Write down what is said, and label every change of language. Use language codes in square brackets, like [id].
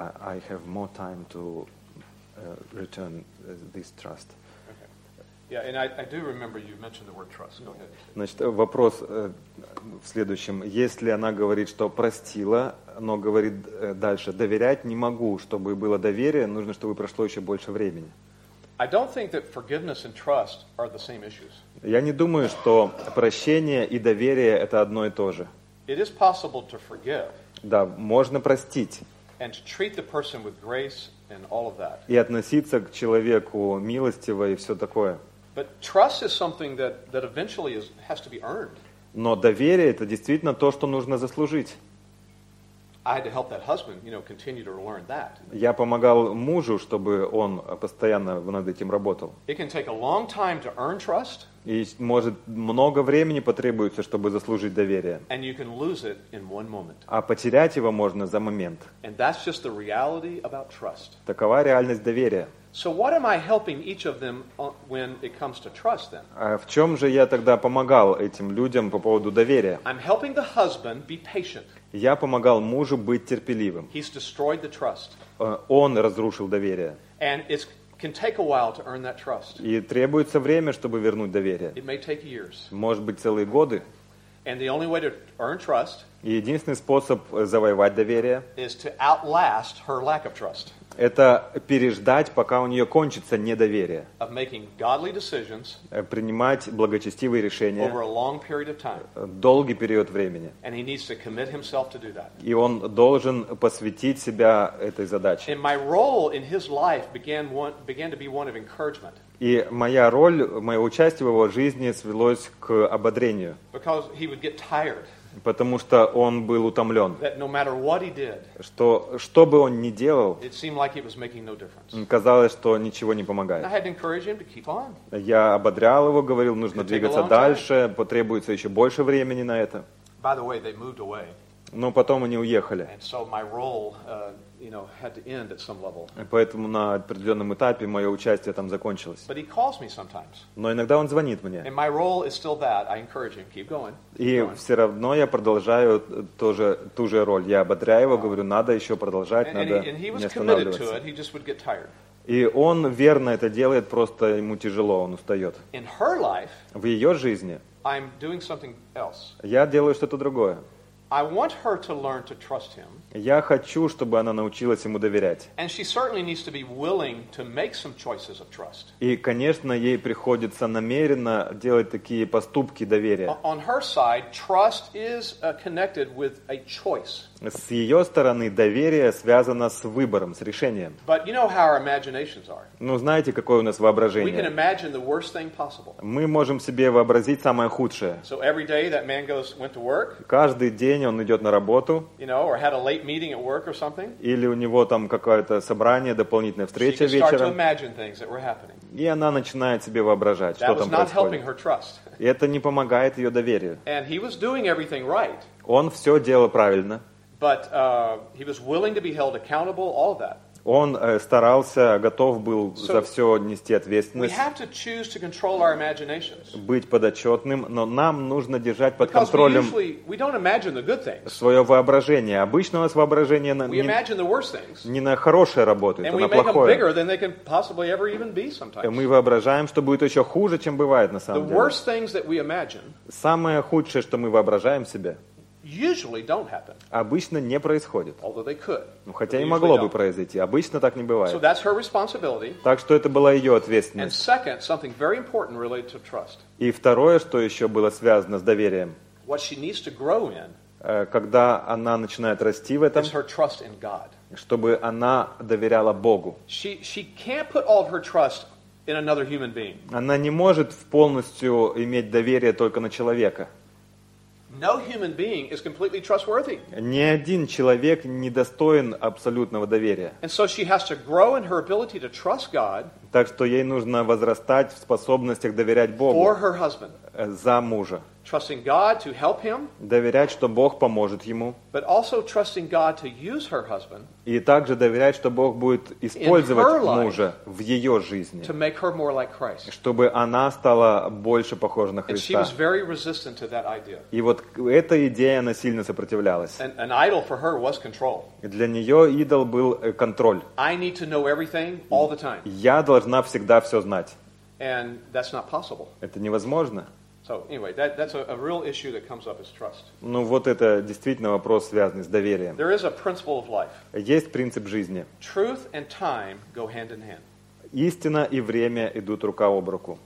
[en] I have more time to return this trust. Okay. Yeah, and I do remember you mentioned the word trust. Go ahead. [ru] Значит, вопрос в следующем. Если она говорит, что простила, но говорит дальше, доверять не могу, чтобы было доверие, нужно, чтобы прошло еще больше времени. [en] I don't think that forgiveness and trust are the same issues. [ru] Я не думаю, что прощение и доверие — это одно и то же. [en] It is possible to forgive. [ru] Да, можно простить. [en] And to treat the person with grace and all of that. [ru] И относиться к человеку милостиво и все такое. [en] But trust is something that eventually has to be earned. [ru] Но доверие — это действительно то, что нужно заслужить. [en] I had to help that husband, you know, continue to learn that. [ru] Я помогал мужу, чтобы он постоянно над этим работал. [en] It can take a long time to earn trust. [ru] И может много времени потребуется, чтобы заслужить доверие. [en] And you can lose it in one moment. [ru] А потерять его можно за момент. [en] And that's just the reality about trust. [ru] Такова реальность доверия. [en] So what am I helping each of them when it comes to trust them? [ru] А в чем же я тогда помогал этим людям по поводу доверия? [en] I'm helping the husband be patient. [ru] Я помогал мужу быть терпеливым. [en] He's destroyed the trust. [ru] Он разрушил доверие. [en] And it can take a while to earn that trust. [ru] И требуется время, чтобы вернуть доверие. [en] It may take years. [ru] Может быть, целые годы. [en] And the only way to earn trust. [ru] И единственный способ завоевать доверие. [en] Is to outlast her lack of trust. [ru] Это переждать, пока у нее кончится недоверие. [en] Of making godly decisions, [ru] принимать благочестивые решения [en] over a long period of time. [ru] Долгий период времени. [en] And he needs to commit himself to do that. [ru] И он должен посвятить себя этой задаче. [en] And my role in his life began to be one of encouragement. [ru] И моя роль, мое участие в его жизни свелось к ободрению. [en] Because he would get tired. [ru] Потому что он был утомлен. [en] That no matter what he did, [ru] что бы он ни делал, [en] it seemed like it was making no difference. [ru] Казалось, что ничего не помогает. [en] And I had to encourage him to keep on. [ru] Я ободрял его, говорил, нужно двигаться дальше, потребуется еще больше времени на это. [en] By the way, they moved away. [ru] Но потом они уехали. [en] And so my role, you know, had to end at some level. [ru] Поэтому на определенном этапе мое участие там закончилось. [en] But he calls me sometimes. [ru] Но иногда он звонит мне. [en] And my role is still that. I encourage him. Keep going. [ru] И все равно я продолжаю тоже ту же роль. Я ободряю его, говорю, надо еще продолжать, надо не останавливаться. [en] And he was committed to it. He just would get tired. [ru] И он верно это делает, просто ему тяжело, он устает. [en] In her life, [ru] в ее жизни, [en] I'm doing something else. [ru] Я делаю что-то другое. [en] I want her to learn to trust him. [ru] Я хочу, чтобы она научилась ему доверять. [en] And she certainly needs to be willing to make some choices of trust. [ru] И, конечно, ей приходится намеренно делать такие поступки доверия. [en] On her side, trust is connected with a choice. [ru] С ее стороны, доверие связано с выбором, с решением. [en] But you know how our imaginations are. [ru] Ну, знаете, какое у нас воображение? [en] We can imagine the worst thing possible. [ru] Мы можем себе вообразить самое худшее. [en] So every day that man goes went to work. [ru] Каждый день он идет на работу. [en] You know, or had a late meeting at work or something. [ru] Или у него там какое-то собрание, дополнительная встреча вечером. [en] She can start to imagine things that were happening. [ru] И она начинает себе воображать, [en] that [ru] что там происходит. [en] Helping her trust. [ru] И это не помогает ее доверию. [en] And he was doing everything right. [ru] Он все делал правильно. [en] But he was willing to be held accountable, all of that. [ru] Он старался, готов был за все нести ответственность. [en] We have to choose to control our imaginations. [ru] Быть подотчетным, но нам нужно держать под контролем [en] we don't imagine the good things. [ru] Свое воображение. Обычно у нас воображение не на хорошее работает, [en] and [ru] а на плохое. [en] Make them bigger than they can possibly ever even be sometimes. [ru] И мы воображаем, что будет еще хуже, чем бывает на самом [en] the [ru] деле. [en] Worst things that we imagine, [ru] самое худшее, что мы воображаем себе, [en] usually don't happen. [ru] Обычно не происходит. [en] Although they could. [ru] Ну, хотя и могло бы произойти. Обычно так не бывает. [en] So that's her responsibility. [ru] Так что это была ее ответственность. [en] And second, something very important related to trust. [ru] И второе, что еще было связано с доверием. [en] What she needs to grow in, [ru] когда она начинает расти в этом, [en] is her trust in God. [ru] Чтобы она доверяла Богу. [en] She can't put all of her trust in another human being. [ru] Она не может полностью иметь доверие только на человека. [en] No human being is completely trustworthy. [ru] Ни один человек не достоин абсолютного доверия. [en] And so she has to grow in her ability to trust God. [ru] Так что ей нужно возрастать в способностях доверять Богу. [en] For her husband. [ru] За мужа. [en] Trusting God to help him. [ru] Доверять, что Бог поможет ему. [en] But also trusting God to use her husband. [ru] И также доверять, что Бог будет использовать мужа в ее жизни. [en] To make her more like Christ. [ru] Чтобы она стала больше похожа на Христа. [en] And she was very resistant to that idea. [ru] И вот эта идея, она сильно сопротивлялась. [en] And an idol for her was control. [ru] Для нее идол был контроль. [en] I need to know everything all the time. [ru] Я должна всегда все знать. [en] And that's not possible. [ru] Это невозможно. [en] So anyway, that's a real issue that comes up is trust. [ru] Ну вот это действительно вопрос, связанный с доверием. [en] There is a principle of life. [ru] Есть принцип жизни. [en] Truth and time go hand in hand. [ru] Истина и время идут рука об руку.